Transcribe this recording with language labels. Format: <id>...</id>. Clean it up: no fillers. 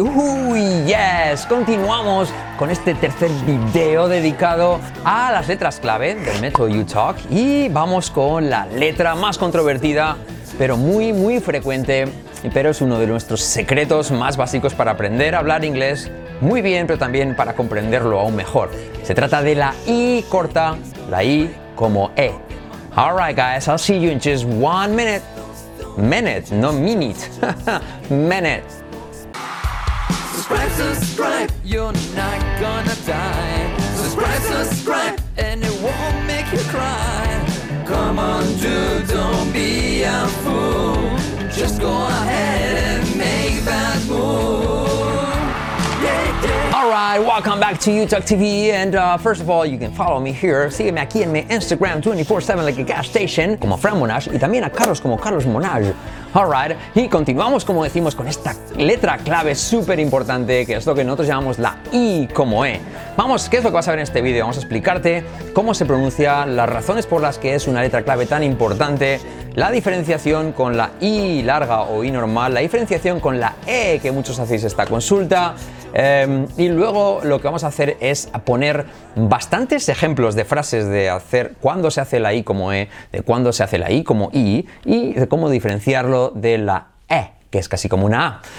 <es>Uy, yes, continuamos con este tercer video dedicado a las letras clave del método YouTalk y vamos con la letra más controvertida, pero muy, muy frecuente, pero es uno de nuestros secretos más básicos para aprender a hablar inglés muy bien, pero también para comprenderlo aún mejor. Se trata de la I corta, la I como E.</es> <en>All right, guys, I'll see you in just 1 minute. Minute, no minute. Minute. Subscribe, subscribe. You're not gonna die. Subscribe, subscribe. And it won't make you cry. Come on, dude, don't be a fool. Just go ahead and make that move. Yeah, yeah. All right, welcome back to YouTalk TV. And first of all, you can follow me here.</en> <es>Sígueme aquí en mi Instagram 24/7</es> <en>like a gas station,</en> <es>como Fran Monash, y también a Carlos como Carlos Monash.</es> <en>All right,</en> <es>y continuamos, como decimos, con esta letra clave súper importante, que es lo que nosotros llamamos la I como E. Vamos, ¿qué es lo que vas a ver en este vídeo? Vamos a explicarte cómo se pronuncia, las razones por las que es una letra clave tan importante, la diferenciación con la I larga o I normal, la diferenciación con la E, que muchos hacéis esta consulta, y luego lo que vamos a hacer es poner bastantes ejemplos de frases de hacer cuando se hace la I como E, de cuando se hace la I como I y de cómo diferenciarlo de la E, que es casi como una A.</es>